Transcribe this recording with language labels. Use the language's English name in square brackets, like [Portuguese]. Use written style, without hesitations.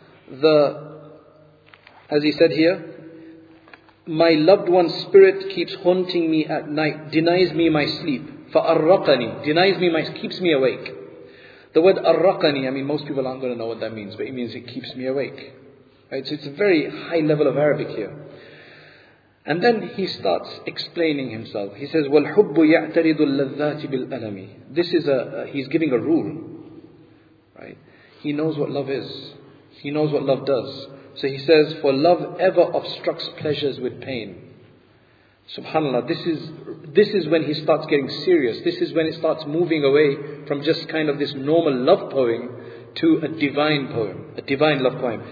[English] The, as he said here, my loved one's spirit keeps haunting me at night, denies me my sleep. Fa'arraqani, denies me my, keeps me awake. The word arraqani, I mean, most people aren't going to know what that means, but it means it keeps me awake. Right? So it's a very high level of Arabic here. And then he starts explaining himself. [Arabic] He says, وَالْحُبُّ يَعْتَرِضُ اللَّذَّاتِ بِالْأَلَمِ. [English] This is he's giving a rule. Right? He knows what love is. He knows what love does. So he says, for love ever obstructs pleasures with pain. Subhanallah, this is when he starts getting serious. This is when it starts moving away from just kind of this normal love poem to a divine poem, a divine love poem.